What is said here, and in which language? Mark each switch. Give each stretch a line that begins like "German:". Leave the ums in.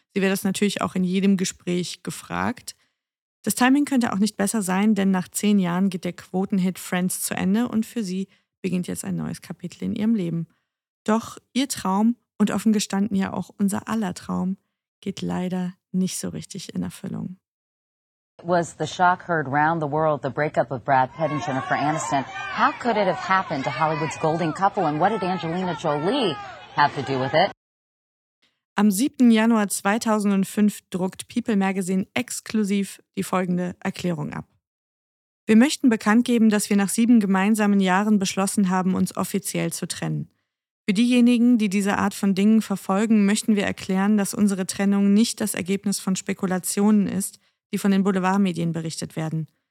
German: Sie wird das natürlich auch in jedem Gespräch gefragt. Das Timing könnte auch nicht besser sein, denn nach zehn Jahren geht der Quotenhit Friends zu Ende und für sie beginnt jetzt ein neues Kapitel in ihrem Leben. Doch ihr Traum und offen gestanden ja auch unser aller Traum geht leider nicht so richtig in Erfüllung.
English: It was the shock heard round Brad Pitt and Jennifer Aniston? How could it have happened Hollywood's golden couple and what did Angelina Jolie have to do with it? Am 7.
German: Januar 2005 druckt People Magazine exklusiv die folgende Erklärung ab. Wir möchten bekannt geben, dass wir nach sieben gemeinsamen Jahren beschlossen haben, uns offiziell zu trennen. Für diejenigen, die diese Art von Dingen verfolgen, möchten wir erklären, dass unsere Trennung nicht das Ergebnis von Spekulationen ist, die von den Boulevardmedien berichtet werden.